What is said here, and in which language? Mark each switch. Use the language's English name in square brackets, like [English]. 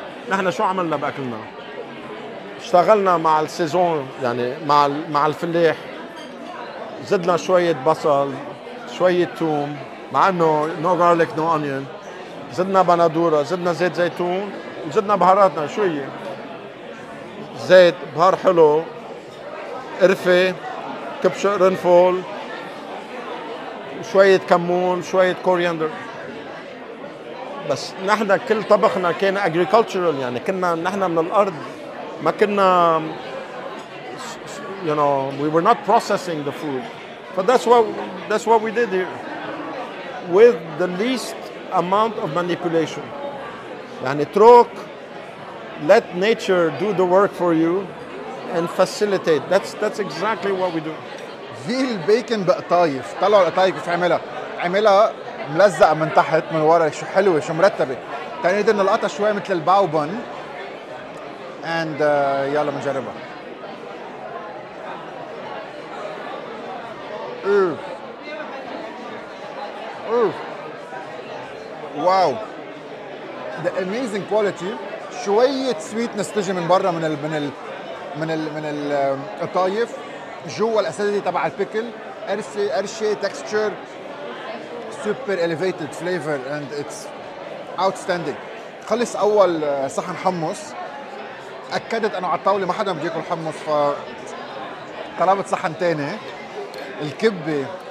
[Arabic] نحن شو عملنا باكلنا؟ اشتغلنا مع السيزون يعني مع الفلاح، زدنا شويه بصل شويه ثوم، مع انه نو غارليك نو اونيون، زدنا بندوره، زدنا زيت زيتون، زدنا بهاراتنا شويه زيت بهار حلو، قرفه، كبشة رنفول، شويه كمون، شويه كورياندر. بس نحن كل طبخنا كان agricultural يعني، كنا نحن من الأرض، ما كنا [English] you know we were not processing the food. But that's what we did here with the least amount of manipulation. [Arabic] يعني اترك [English] let nature do the work for you and facilitate. That's exactly what we do. [Arabic] في البيكن بقى طايف، طلعوا القطايف كيف عملها ملزقة من تحت من ورا، شو حلوة شو مرتبة. تاني إذا نلقطها شوية مثل الباوبن and يلا منجربها. [English] واو the amazing quality. [Arabic] شوية sweetness تجي من برا من ال من ال من ال من القطايف، جوا الأساسية تبع البيكل، قرشة texture [English] super elevated flavor and it's outstanding. [Arabic] خلص اول صحن حمص، اكدت انه على الطاوله ما حدا بده ياكل حمص، ف طلبت صحن ثاني. الكبه